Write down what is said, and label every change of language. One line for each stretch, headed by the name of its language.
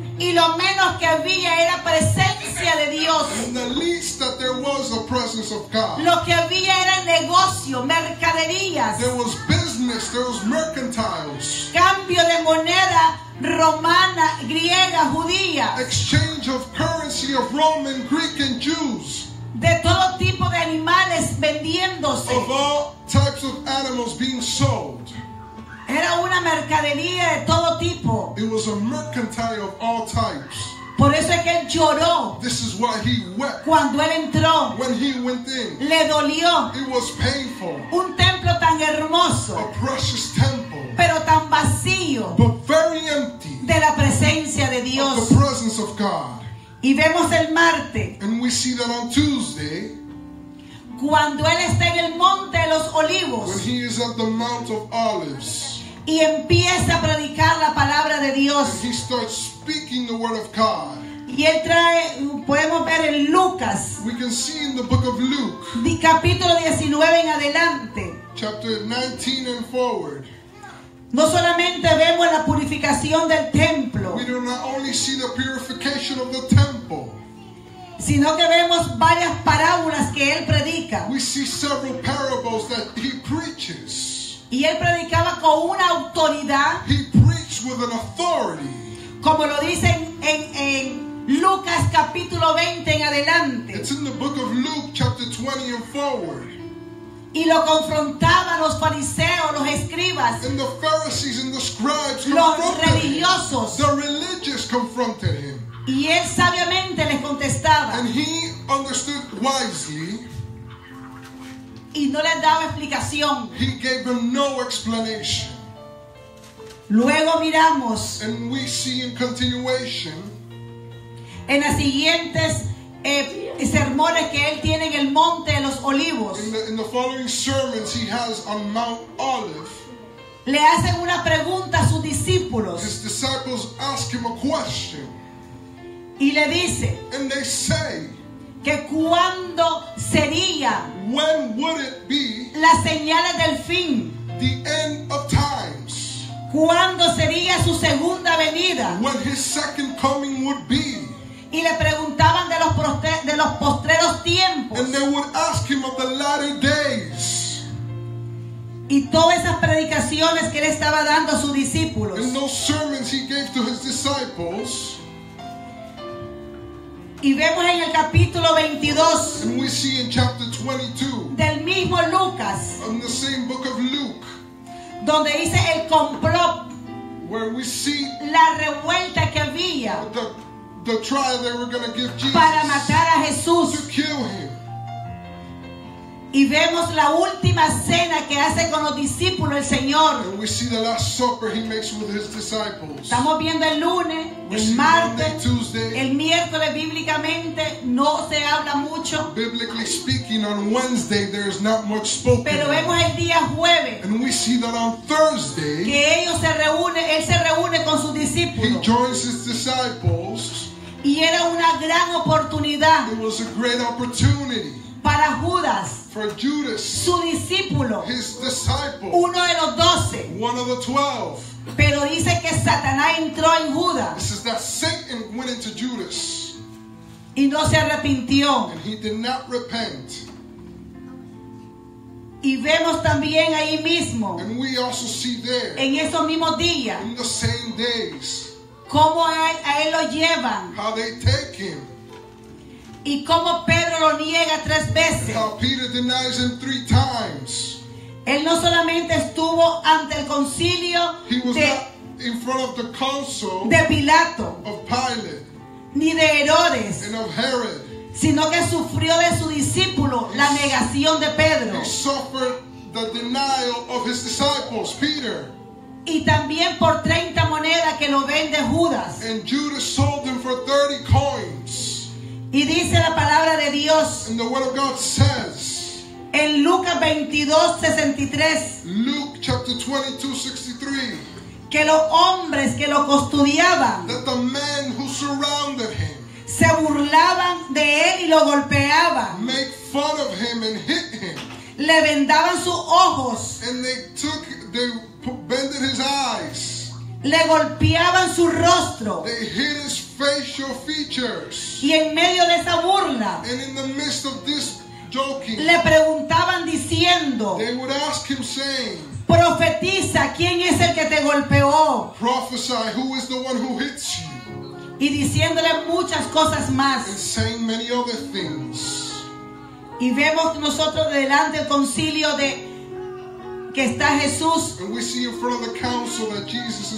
Spanish: y lo menos que había era presencia de Dios.
English: And the least that there was a presence of God.
Spanish: Lo que había era negocio, mercaderías.
English: There was business, there was mercantiles.
Spanish: Cambio de moneda romana, griega, judía.
English: Exchange of currency of Roman, Greek and Jews.
Spanish: De todo tipo de animales vendiéndose.
English: Of all types of animals being sold.
Spanish: Era una mercadería de todo tipo.
English: It was a mercantile of all types.
Spanish: Por eso es que él lloró.
English: This is why he wept.
Spanish: Cuando él entró.
English: When he went in.
Spanish: Le dolió.
English: It was painful.
Spanish: Un templo tan hermoso.
English: A precious temple.
Spanish: Pero tan vacío.
English: But very empty.
Spanish: De la presencia de Dios.
English: Of the presence of God.
Spanish: Y vemos el martes.
English: And we see that on Tuesday.
Spanish: Cuando él está en el monte de los olivos.
English: When he is at the Mount of Olives.
Spanish: Y empieza a predicar la palabra de Dios.
English: And he starts speaking the word of God.
Spanish: Y él trae, podemos ver en Lucas.
English: We can see in the book of Luke.
Spanish: De capítulo 19 en adelante.
English: Chapter 19 and forward.
Spanish: No solamente vemos la purificación del templo.
English: We do not only see the purification of the temple.
Spanish: Sino que vemos varias parábolas que él predica.
English: We see several parables that he preaches.
Spanish: Y él predicaba con una autoridad.
English: He preached with an authority.
Spanish: Como lo dice en Lucas capítulo 20 en adelante.
English: It's in the book of Luke chapter 20 and forward.
Spanish: Y lo confrontaban los fariseos, los escribas.
English: And the Pharisees and the scribes confronted him.
Spanish: Los religiosos.
English: The religious confronted him.
Spanish: Y él sabiamente les contestaba.
English: And he understood wisely.
Spanish: Y no les daba explicación.
English: He gave them no explanation.
Spanish: Luego miramos.
English: And we see in continuation.
Spanish: En las siguientes sermones que él tiene en el Monte de los Olivos.
English: In the following sermons he has on Mount Olive.
Spanish: Le hacen una pregunta a sus discípulos.
English: His disciples ask him a question.
Spanish: Y le dice.
English: And they say.
Spanish: Que cuándo sería.
English: When would it be?
Spanish: Las señales del fin.
English: The end of times.
Spanish: Cuándo sería su segunda venida.
English: When his second coming would be.
Spanish: Y le preguntaban de los postreros tiempos.
English: And they would ask him of the latter days.
Spanish: Y todas esas predicaciones que él estaba dando a sus discípulos.
English: And those sermons he gave to his disciples.
Spanish: Y vemos en el capítulo 22.
English: And we see in chapter 22.
Spanish: Del mismo Lucas.
English: In the same book of Luke.
Spanish: Donde dice el complot.
English: Where we see.
Spanish: La revuelta que había.
English: The trial they were going to give Jesus.
Spanish: Para matar a Jesús.
English: To kill him.
Spanish: Y vemos la última cena que hace con los discípulos el Señor.
English: And we see the last supper he makes with his disciples.
Spanish: Estamos viendo el lunes,
English: we
Spanish: el martes,
English: Monday, Tuesday.
Spanish: El miércoles bíblicamente no se habla mucho.
English: Biblically speaking, on Wednesday there is not much spoken.
Spanish: Pero vemos el día jueves.
English: And we see that on Thursday.
Spanish: Que ellos se reúnen, él se reúne con sus discípulos.
English: He joins his disciples.
Spanish: Y era una gran oportunidad.
English: It was a great opportunity.
Spanish: Para Judas,
English: for Judas,
Spanish: su discípulo,
English: his disciple,
Spanish: uno de los doce,
English: one of the 12.
Spanish: Pero dice que Satanás entró en Judas.
English: This is that Satan went into Judas.
Spanish: Y no se arrepintió.
English: And he did not repent.
Spanish: Y vemos también ahí mismo.
English: And we also see there.
Spanish: En esos mismos días.
English: In the same days.
Spanish: Cómo a él lo llevan.
English: How they take him.
Spanish: Y cómo Pedro lo niega tres veces.
English: How Peter denies him three times.
Spanish: Él no solamente estuvo ante el concilio de Pilato.
English: Of Pilate,
Spanish: ni de Herodes.
English: And of Herod.
Spanish: Sino que sufrió de su discípulo la negación de Pedro.
English: He suffered the denial of his disciples, Peter.
Spanish: Y también por 30 monedas que lo vende Judas.
English: And Judas sold him for 30 coins.
Spanish: Y dice la palabra de Dios.
English: And the word of God says.
Spanish: En Lucas 22:63.
English: Luke chapter 22:63.
Spanish: Que los hombres que lo custodiaban.
English: That the men who surrounded him.
Spanish: Se burlaban de él y lo golpeaban.
English: Make fun of him and hit him.
Spanish: Le vendaban sus ojos.
English: And they bended his eyes.
Spanish: Le golpeaban su rostro.
English: They hit his facial features.
Spanish: Y en medio de esa burla.
English: And in the midst of this joking.
Spanish: Le preguntaban diciendo.
English: They would ask him saying.
Spanish: Profetiza, ¿quién es el que te golpeó?
English: Prophesy, who is the one who hits you?
Spanish: Y diciéndole muchas cosas más.
English: And saying many other things.
Spanish: Y vemos nosotros delante del concilio de que está Jesús.
English: And we see in front of the council that Jesus is